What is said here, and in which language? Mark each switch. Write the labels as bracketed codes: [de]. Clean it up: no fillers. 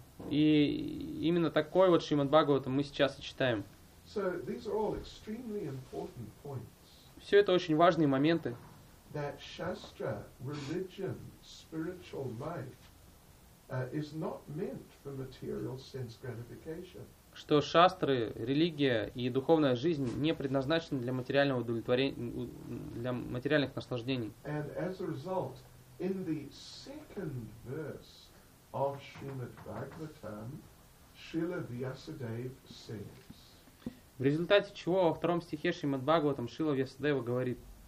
[ru] И именно такой вот Шримад Бхагаватам мы сейчас и читаем. Все это очень важные моменты. [en] That shastra, religion, spiritual life, is not meant for material sense gratification. [ru] Что шастры, религия и духовная жизнь не предназначены для материального удовлетворения, для материальных наслаждений. [en] And as a result, in the second verse of Srimad Bhagavatam, Srila Vyasadeva says. [ru] В результате чего во втором стихе Шримад Бхагаватам Шрила Вьясадева говорит.